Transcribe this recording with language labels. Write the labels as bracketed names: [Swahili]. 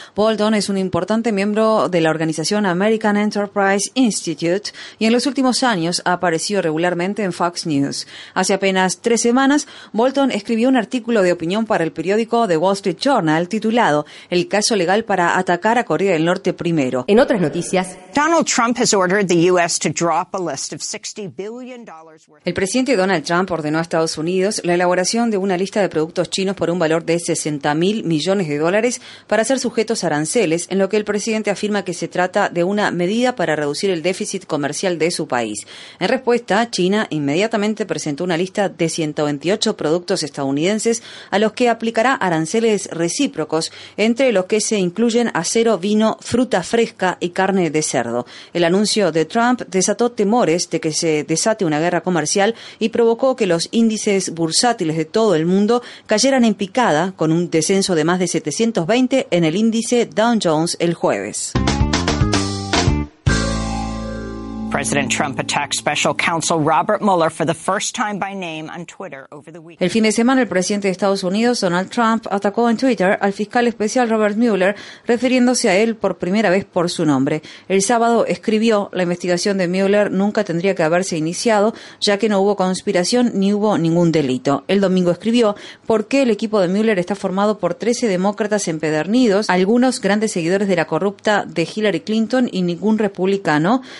[Spanish] Bolton es un importante miembro de la organización American Enterprise Institute y en los últimos años ha aparecido regularmente en Fox News. Hace apenas 3 semanas, Bolton escribió un artículo de opinión para el periódico The Wall Street Journal titulado "El caso legal para atacar a Corea del Norte primero". En otras noticias, [English] Donald Trump has ordered the U.S. to drop a list of $60 billion worth. [Spanish] El presidente Donald Trump ordenó a Estados Unidos la elaboración de una lista de productos chinos por un valor de 60 mil millones de dólares para ser sujetos a aranceles, en lo que el presidente afirma que se trata de una medida para reducir el déficit comercial de su país. En respuesta, China inmediatamente presentó una lista de 128 productos estadounidenses a los que aplicará aranceles recíprocos, entre los que se incluyen acero, vino, fruta fresca y carne de cerdo. El anuncio de Trump desató temores de que se desate una guerra comercial y provocó que los índices bursátiles de todo el mundo cayeran en picada, con un descenso de más de 720 en el índice Dow Jones el jueves. [English] President Trump attacked Special Counsel Robert Mueller for the first time by name on Twitter over the weekend. [Spanish] El fin de semana, el presidente de Estados Unidos, Donald Trump, atacó en Twitter al fiscal especial Robert Mueller, refiriéndose a él por primera vez por su nombre. El sábado escribió: "La investigación de Mueller nunca tendría que haberse iniciado, ya que no hubo conspiración ni hubo ningún delito". El domingo escribió: "¿Por qué el equipo de Mueller está formado por 13 demócratas empedernidos, algunos grandes seguidores de la corrupta de Hillary Clinton y ningún republicano?